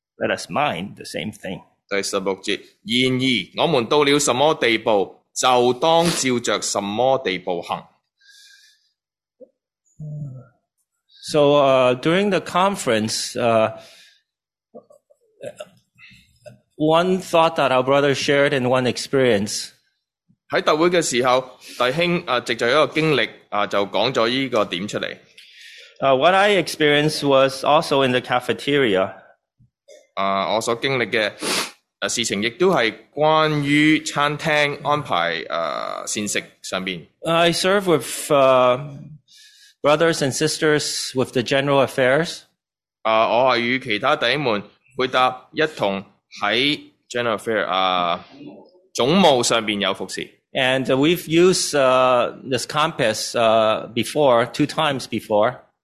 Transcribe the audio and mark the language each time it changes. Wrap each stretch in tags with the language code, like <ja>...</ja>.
<en>Let us mind the same thing.</en> <zh>第十六节，然而我们到了什么地步，就当照着什么地步行。</zh> <en>So, during the conference, one thought that our brother shared in one experience.</en> <zh>在特会的时候，弟兄藉着一个经历就讲了这个点出来。</zh> <en>What I experienced was also in the cafeteria.</en> <zh>我所经历的事情亦都是关于餐厅安排膳食上面。</zh> <en>I serve with, brothers and sisters with the general affairs.</en> <zh>我是与其他弟兄们会答一同在</zh> <en>general affairs,</en> <zh>总务上面有服侍。</zh> <en>And we've used, this compass, before, two times before.</en>